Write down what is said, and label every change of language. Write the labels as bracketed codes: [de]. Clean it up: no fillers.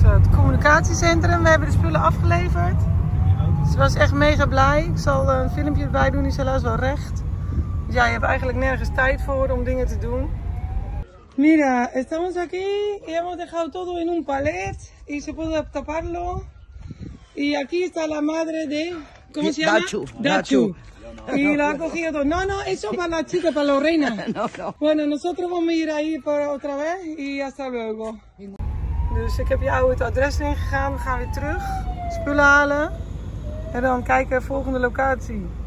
[nl] Communicatiecentrum, we hebben de spullen afgeleverd. Ze was echt mega blij. Ik zal een filmpje erbij doen, die is helaas wel recht. Dus ja, je hebt eigenlijk nergens tijd voor om dingen te doen. [es] Mira, estamos aquí. Hemos dejado todo en un palet. Y se puede taparlo. Y aquí está la madre de... ¿Cómo se llama? Dachu. Dachu. Y la ha cogido todo. No, no, eso para la chica, para la reina. Bueno, nosotros vamos a ir ahí para otra vez. Y hasta luego. [nl] Dus ik heb jou het adres ingegaan, we gaan weer terug, spullen halen en dan kijken naar de volgende locatie.